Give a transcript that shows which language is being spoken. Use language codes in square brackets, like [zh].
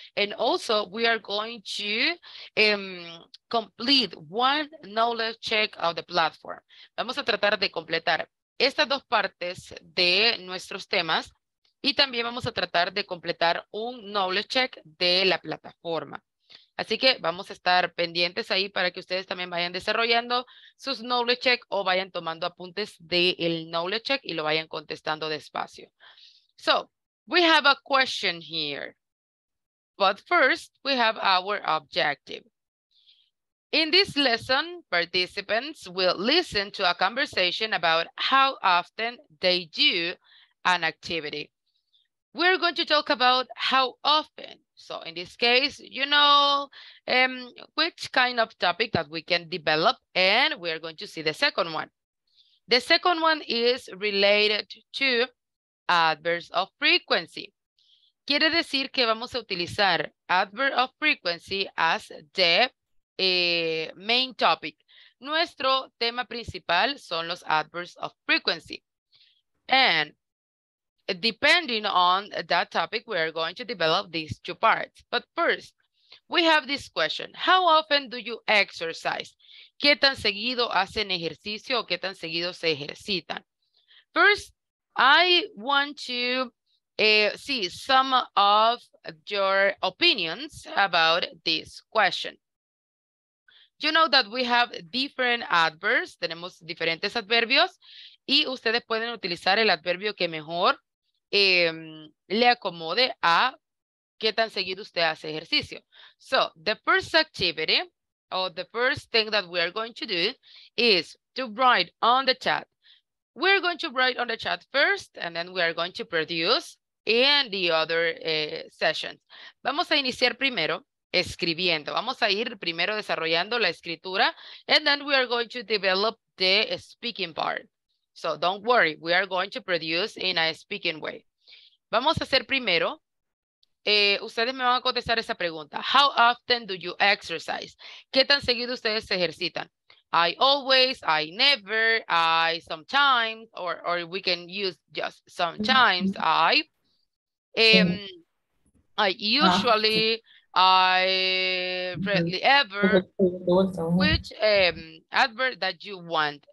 [en] And also we are going to complete 1 knowledge check of the platform. [es] Vamos a tratar de completar estas 2 partes de nuestros temas y también vamos a tratar de completar 1 knowledge check de la plataforma. Así que vamos a estar pendientes ahí para que ustedes también vayan desarrollando sus knowledge check o vayan tomando apuntes del knowledge check y lo vayan contestando despacio. [en] So, we have a question here, but first we have our objective. In this lesson, participants will listen to a conversation about how often they do an activity. We're going to talk about how often. So in this case, you know, which kind of topic that we can develop, and we're going to see the second one. The second one is related to adverbs of frequency. [es] Quiere decir que vamos a utilizar [en] adverb of frequency as the main topic. [es] Nuestro tema principal son los adverbs of frequency. [en] And depending on that topic, we are going to develop these 2 parts. But first, we have this question. How often do you exercise? [es] ¿Qué tan seguido hacen ejercicio o qué tan seguido se ejercitan? [en] First, I want to see some of your opinions about this question. You know that we have different adverbs, [es] tenemos diferentes adverbios, y ustedes pueden utilizar el adverbio que mejor le acomode a qué tan seguido usted hace ejercicio. [en] So, the first activity, or the first thing that we are going to do, is to write on the chat. We're going to write on the chat first, and then we are going to produce in the other sessions. [es] Vamos a iniciar primero escribiendo. Vamos a ir primero desarrollando la escritura, [en] and then we are going to develop the speaking part. So don't worry, we are going to produce in a speaking way. [es] Vamos a hacer primero, ustedes me van a contestar esa pregunta. [en] How often do you exercise? [es] ¿Qué tan seguido ustedes se ejercitan? [en] I always, I never, I sometimes, or we can use just sometimes, I usually, I rarely ever, which adverb that you want.